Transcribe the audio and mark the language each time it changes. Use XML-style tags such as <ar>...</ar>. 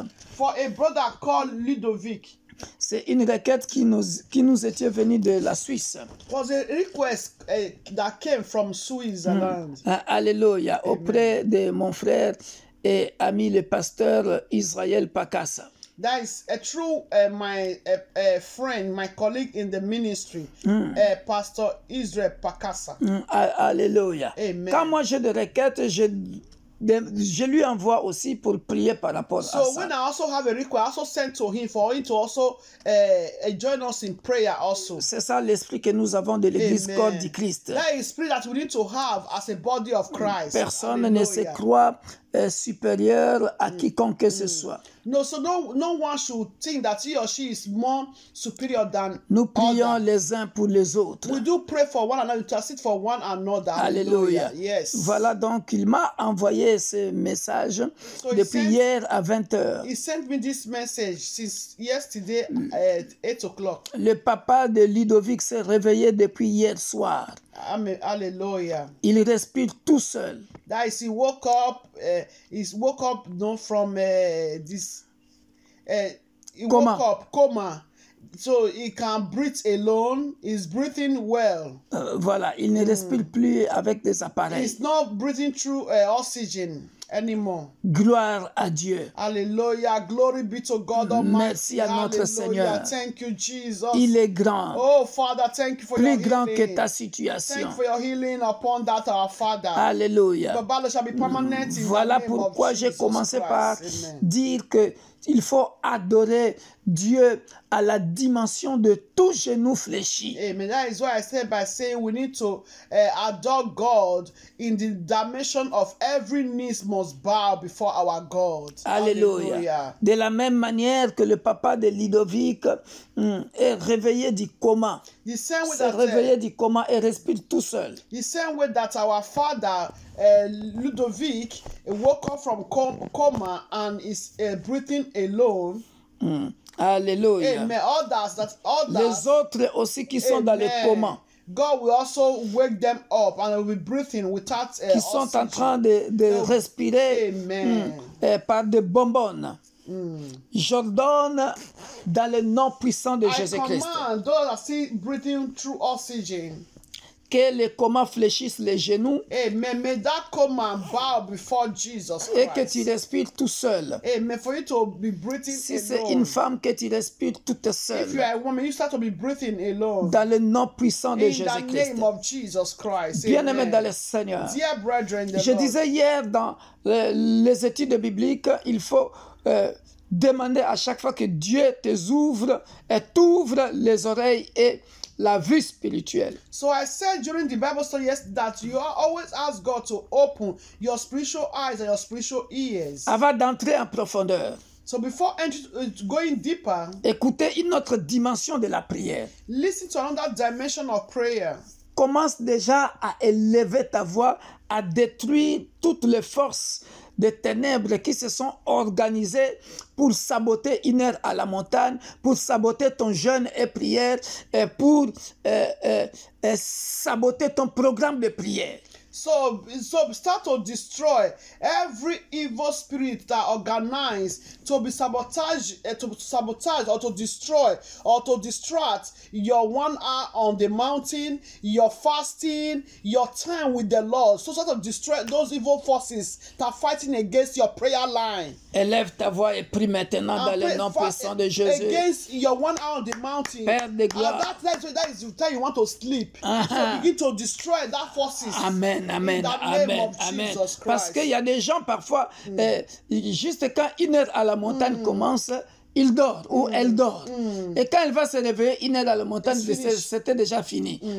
<en>For a brother called Ludovic.</en> <fr>C'est une requête qui nous était venue de la Suisse.</fr> <en>Was a request that came from Switzerland.</en> <fr>Alléluia. Amen. Auprès de mon frère et ami le pasteur Israël Pakas.</fr> <en>That is a true my friend, my colleague in the ministry, Pastor Israël Pakas.</en> <fr>Alléluia. Amen. Quand moi j'ai des requêtes, je lui envoie aussi pour prier par rapport à ça.</fr> <en>So when I also have a request, I also send to him for him to also join us in prayer also.</en> <fr>C'est ça l'esprit que nous avons de l'église corps du Christ.</fr> <en>That is spirit that we need to have as a body of Christ.</en> <fr>Personne ne se croit supérieur à quiconque que ce soit.</fr> <en>No, so no one should think that he or she is more superior than others.</en> <fr>Nous prions les uns pour les autres.</fr> <en>We do pray for one another, intercede for one another.</en> <fr>Alléluia.</fr> <en>Yes.</en> <fr>Voilà donc, il m'a envoyé ce message depuis hier à 20h.</fr> <en>He sent me this message since yesterday at 8 o'clock.</en> <fr>Le papa de Ludovic s'est réveillé depuis hier soir. Amen. Alléluia. Il respire tout seul.</fr> <en>That is, he woke up, not from this. He coma. Woke up coma, so he can breathe alone. He's breathing well.</en> <fr>Voilà, il ne respire plus avec des appareils.</fr> <en>He's not breathing through oxygen anymore.</en> <fr>Gloire à Dieu. Alléluia.</fr> <en>Glory be to God Almighty.</en> <fr>Merci à notre Seigneur.</fr> <en>Thank you, Jesus.</en> <fr>Il est grand.</fr> <en>Oh Father, thank you for</en> <fr>plus</fr> <en>your healing.</en> <fr>Plus grand que ta situation.</fr> <en>Thank you for your healing upon that, our Father.</en> <fr>Alléluia.</fr> <en>The battle shall be permanent.</en> <fr>Voilà pourquoi j'ai commencé par dire que il faut adorer Dieu à la dimension de tout genou fléchi. Amen.</fr> <en>That is why I said by saying we need to adore God in the dimension of every knee must bow before our God.</en> <fr>Alléluia. De la même manière que le papa de Ludovic est réveillé du coma.</fr> <en>The same way</en> <fr>s'est réveillé du coma et respire tout seul.</fr> <en>The same way that our father Ludovic woke up from coma and is breathing alone.</en> <fr>Alléluia.</fr> <en>Amen. Others, that others,</en> <fr>les autres aussi qui sont dans le coma.</fr> <en>God will also wake them up and will be breathing without</en> <fr>qui sont</fr> <en>oxygen.</en> <fr>En train de respirer par des bonbonnes. J'ordonne dans le nom puissant de Jésus-Christ.</fr> <en>I command those that see breathing through oxygen.</en> <fr>Que le coma fléchisse les genoux. Amen.</fr> <en>May that coma bow before Jesus Christ.</en> <fr>Et que tu respires tout seul.</fr> <en>Amen. For you to be breathing</en> <fr>si</fr> <en>alone.</en> <fr>Si c'est une femme, que tu respires toute seule.</fr> <en>If you are a woman, you start to be breathing alone.</en> <fr>Dans le nom puissant de Jésus Christ.</fr> <en>In the name of Jesus Christ.</en> <fr>Bien-aimé dans le Seigneur.</fr> <en>Dear brethren, the Lord.</en> <fr>Je disais hier dans les études bibliques, il faut demander à chaque fois que Dieu t'ouvre et t'ouvre les oreilles et la vue spirituelle.</fr> <en>So I said during the Bible study yesterday that you always ask God to open your spiritual eyes and your spiritual ears.</en> <fr>Avant d'entrer en profondeur.</fr> <en>So before entering, going deeper.</en> <fr>Écoutez une autre dimension de la prière.</fr> <en>Listen to another dimension of prayer.</en> <fr>Commence déjà à élever ta voix, à détruire toutes les forces des ténèbres qui se sont organisées pour saboter une heure à la montagne, pour saboter ton jeûne et prière, et pour saboter ton programme de prière.</fr> <en>So start to destroy every evil spirit that organized to be sabotage or to destroy or to distract your 1 hour on the mountain, your fasting, your time with the Lord. So start to destroy those evil forces that are fighting against your prayer line.</en> <fr>Élève ta voix et prie maintenant dans le nom puissant de Jésus.</fr> <en>Against your 1 hour on the mountain.</en> <fr>Père de gloire.</fr> <en>And that is the time you want to sleep. Uh-huh. So begin to destroy that forces. Amen. Amen, amen, amen.</en> <fr>Parce qu'il y a des gens parfois, juste quand une heure à la montagne commence, il dort ou elle dort. Et quand elle va se réveiller, une heure à la montagne, c'était déjà fini.</fr>